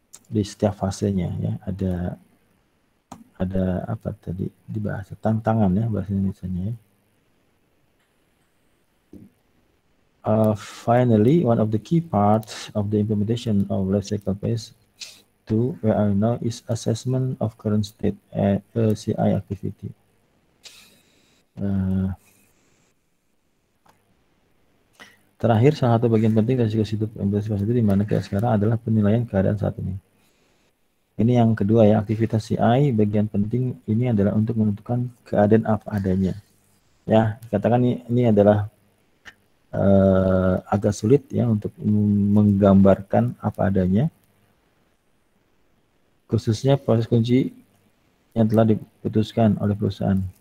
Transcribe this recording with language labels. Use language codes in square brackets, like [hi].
[id] Di setiap fasenya ya ada apa tadi dibahas tantangan ya bahasa Indonesianya. Ya. [en] Finally, one of the key parts of the implementation of life cycle phase 2 where I know is assessment of current state CI activity. [id] Terakhir, salah satu bagian penting dari sikap hidup implementasi fase 2 di mana kita sekarang adalah penilaian keadaan saat ini. Ini yang kedua ya, aktivitas CI, bagian penting ini adalah untuk menentukan keadaan apa adanya. Ya, katakan ini adalah agak sulit ya untuk menggambarkan apa adanya, khususnya proses kunci yang telah diputuskan oleh perusahaan.